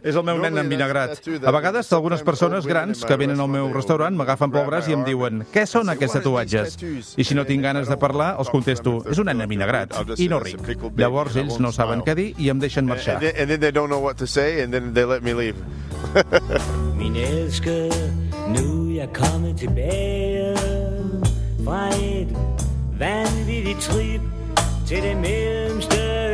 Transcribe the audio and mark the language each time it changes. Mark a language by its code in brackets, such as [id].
[ca] És el meu nen envinagrat. A vegades, algunes persones grans que venen al meu restaurant m'agafen pel braç i em diuen què són aquests tatuatges? I si no tinc ganes de parlar, els contesto és un nen envinagrat i no ric. Llavors ells no saben què dir i em deixen marxar. [en] And then they don't know what to say and then they let me leave. [da] Min elsker, nu jeg kommet tilbage fra et vanvittigt trip til det mellemste.